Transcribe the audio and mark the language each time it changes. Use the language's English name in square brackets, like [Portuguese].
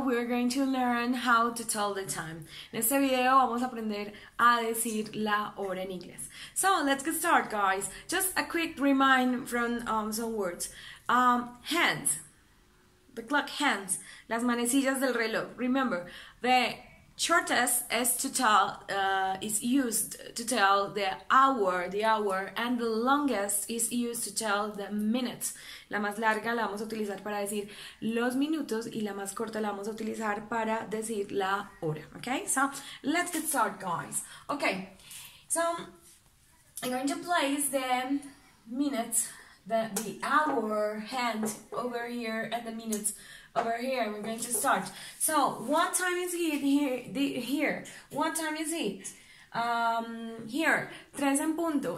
[English] We're going to learn how to tell the time. [Spanish] En este video vamos a aprender a decir la hora en inglés. [English] So, let's get started, guys. Just a quick remind from some words. Hands. The clock hands. [Spanish] Las manecillas del reloj. [English] Remember, the shortest is to tell, is used to tell the hour, and the longest is used to tell the minutes. [Spanish] La más larga la vamos a utilizar para decir los minutos y la más corta la vamos a utilizar para decir la hora. [English] Okay, so let's get started, guys. Okay, so I'm going to place the minutes, the hour hand over here and the minutes over here. We're going to start. So, what time is it here? What time is it? Here, [Spanish] tres en punto.